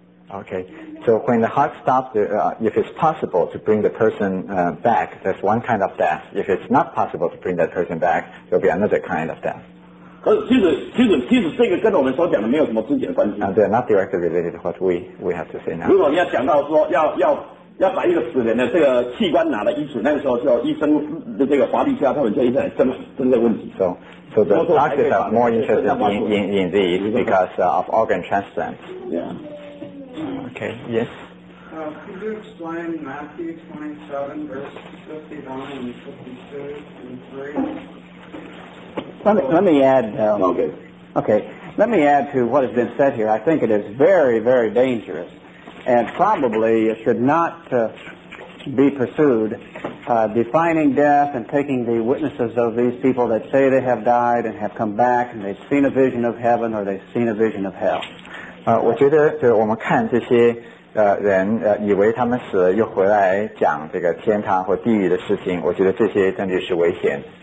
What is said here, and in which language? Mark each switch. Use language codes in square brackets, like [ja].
[en] Okay, so when the heart stops, if it's possible to bring the person back, that's one kind of death. If it's not possible to bring that person back, there'll be another kind of death. [zh] 可是其实这个跟我们所讲的没有什么直接关系。 [en] They're not directly related to what we have to say now. [zh] 如果你要讲到说要把一个死人的这个器官拿来移除，那个时候就医生的这个华丽家他们就一直来争这个问题。 [en] So the doctors are more interested in these because of organ transplants. Okay, yes. Could you explain Matthew 27, verses 59 and 53 and 3? Let me add... Let me add to what has been said here. I think it is very, very dangerous and probably it should not be pursued. Defining death and taking the witnesses of these people that say they have died and have come back and they've seen a vision of heaven or they've seen a vision of hell. [zh] 我觉得就我们看这些人以为他们死了又回来讲这个天堂或地狱的事情，我觉得这些真的是危险。